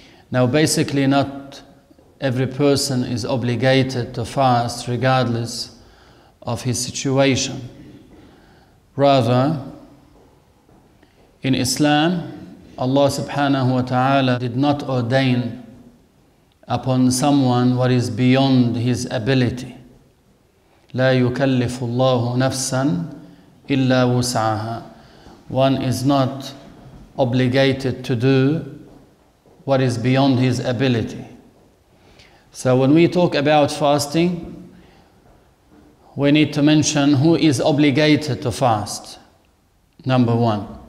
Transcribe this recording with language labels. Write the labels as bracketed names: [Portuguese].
[English] Now basically not every person is obligated to fast regardless of his situation. Rather, in Islam, Allah subhanahu wa ta'ala did not ordain upon someone what is beyond his ability. [Arabic] لا يكلف الله نفسا إلا وسعها. [English] One is not obligated to do what is beyond his ability. So when we talk about fasting, we need to mention who is obligated to fast, number one.